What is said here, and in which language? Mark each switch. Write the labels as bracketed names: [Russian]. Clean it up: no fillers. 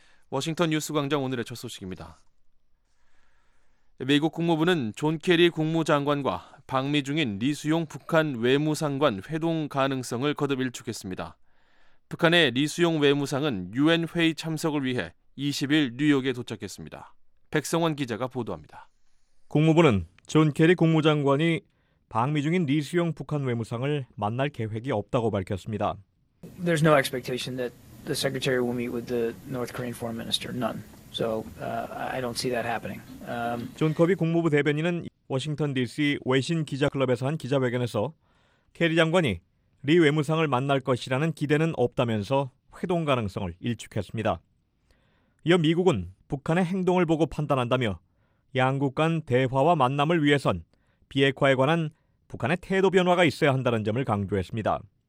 [Korean] 워싱턴 뉴스 광장 오늘의 첫 소식입니다. 미국 국무부는 존 케리 국무장관과 방미 중인 리수용 북한 외무상관 회동 가능성을 거듭 일축했습니다. 북한의 리수용 외무상은 유엔 회의 참석을 위해 20일 뉴욕에 도착했습니다. 백성원 기자가 보도합니다. 국무부는 존 케리 국무장관이 방미 중인 리수용 북한 외무상을 만날 계획이 없다고 밝혔습니다. [English] There's no expectation that the secretary will meet with the North Korean foreign minister. None. So I don't see that happening. [Korean] 존 커비 국무부 대변인은 워싱턴 DC 외신 기자클럽에서 한 기자회견에서 케리 장관이 리 외무상을 만날 것이라는 기대는 없다면서 회동 가능성을 일축했습니다. 이어 미국은 북한의 행동을 보고 판단한다며 양국 간 대화와 만남을 위해선 비핵화에 관한 북한의 태도 변화가 있어야 한다는 점을 강조했습니다.